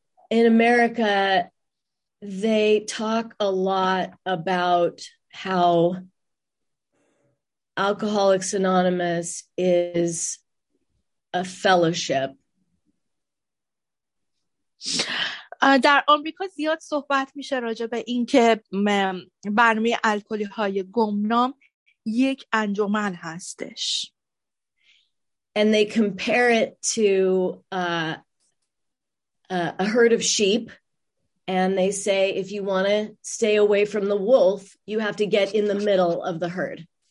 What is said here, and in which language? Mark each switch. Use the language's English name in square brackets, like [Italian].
[English] In America, they talk a lot about how Alcoholics Anonymous is a fellowship. [Persian] در آمریکا زیاد صحبت میشه راجع به این که برنامه الکلی های گمنام یک انجمن هستش. [English] And they compare it to a herd of sheep, and they say if you want to stay away from the wolf, you have to get in the middle of the herd.